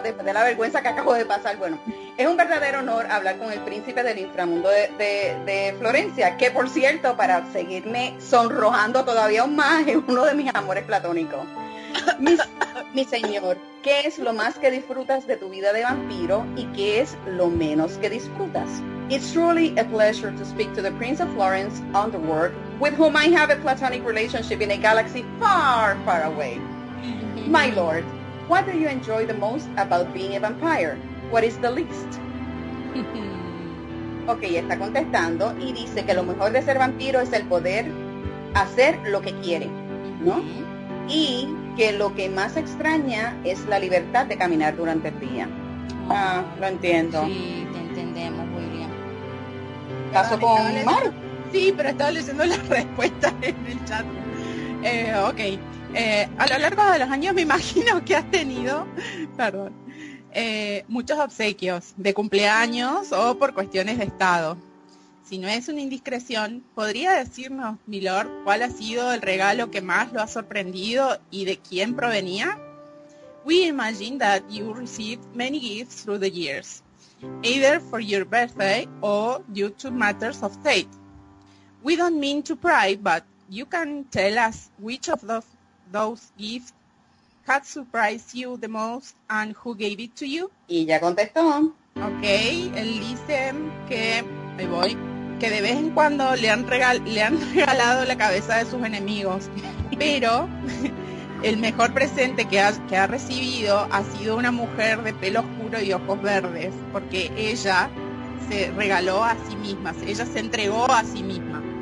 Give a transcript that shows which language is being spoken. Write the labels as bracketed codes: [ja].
[es] Después de la vergüenza que acabo de pasar, bueno, es un verdadero honor hablar con el príncipe del inframundo de Florencia, que por cierto, para seguirme sonrojando todavía aún más, es uno de mis amores platónicos. Mi señor, ¿qué es lo más que disfrutas de tu vida de vampiro y qué es lo menos que disfrutas? [en] It's truly a pleasure to speak to the Prince of Florence on the world, with whom I have a platonic relationship in a galaxy far, far away. My lord, what do you enjoy the most about being a vampire? What is the least? [es] Okay, está contestando y dice que lo mejor de ser vampiro es el poder hacer lo que quiere, ¿no? Y que lo que más extraña es la libertad de caminar durante el día. Ah, lo entiendo. Sí, te entendemos, William. ¿Caso con Mar? Sí, pero estaba leyendo las respuestas en el chat. Okay. A lo largo de los años me imagino que has tenido, perdón, muchos obsequios de cumpleaños o por cuestiones de estado. Si no es una indiscreción, ¿podría decirnos, milord, cuál ha sido el regalo que más lo ha sorprendido y de quién provenía? We imagine that you received many gifts through the years, either for your birthday or due to matters of state. We don't mean to pry, but you can tell us which of those gifts had surprised you the most and who gave it to you? Y ya contestó. Okay, él dice que, ahí voy, que de vez en cuando le han regalado la cabeza de sus enemigos, pero el mejor presente que ha recibido ha sido una mujer de pelo oscuro y ojos verdes, porque ella se regaló a sí misma, ella se entregó a sí misma.